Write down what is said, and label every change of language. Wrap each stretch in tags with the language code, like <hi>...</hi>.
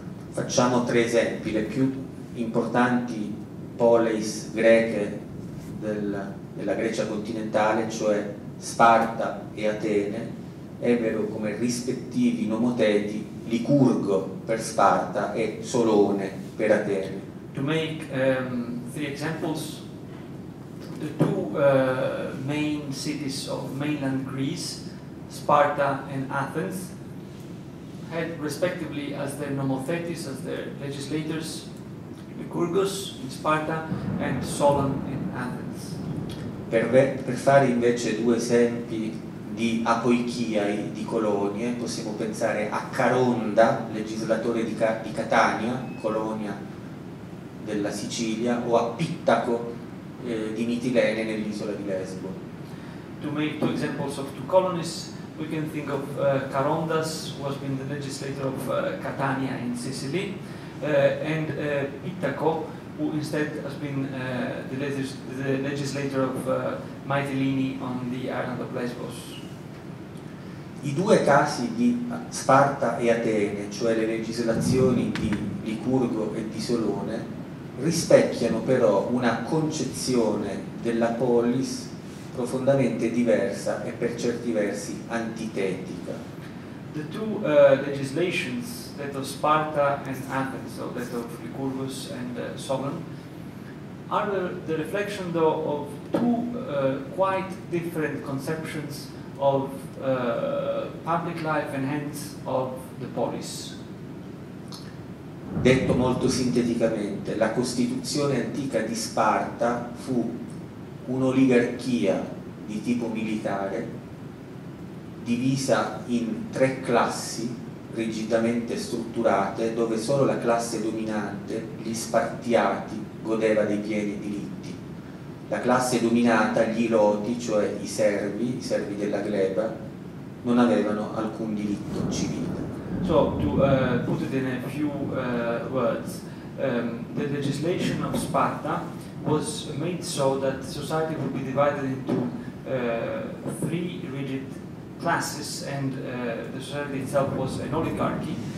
<it>Facciamo tre esempi, le più importanti polis greche della Grecia continentale, cioè Sparta e Atene, ebbero come rispettivi nomoteti Licurgo per Sparta e Solone per Atene.</it> <en>To make three examples, the two main cities of mainland Greece, Sparta and Athens, had respectively as their nomothetes, as their legislators, Lycurgus in Sparta and Solon in Athens.</en> <it>Per fare invece due esempi di apoikia, di colonie, possiamo pensare a Caronda, legislatore di Catania, colonia della Sicilia, o a Pittaco di Mitilene nell'isola di Lesbo.</it> <en>To make two examples of two colonies, we can think of Carondas, who has been the legislator of Catania in Sicily, and Pittaco, who instead has been the legislator of Mitilene on the island of Lesbos.</en> <it>I due casi di Sparta e Atene, cioè le legislazioni di Licurgo e di Solone, rispecchiano però una concezione della polis profondamente diversa e per certi versi antitetica.</it> <en>The two legislations, that of Sparta and Athens, so that of Lycurgus and Solon, are the reflection though of two quite different conceptions of public life and hence of the polis.</en> <it>Detto molto sinteticamente, la costituzione antica di Sparta fu un'oligarchia di tipo militare divisa in tre classi rigidamente strutturate, dove solo la classe dominante, gli Spartiati, godeva dei pieni diritti. La classe dominata, gli Iloti, cioè i servi della gleba, non avevano alcun diritto civile.</it> <en>So, to put it in a few words, the legislation of Sparta was made so that society would be divided into three rigid classes, and the society itself was an oligarchy.</en>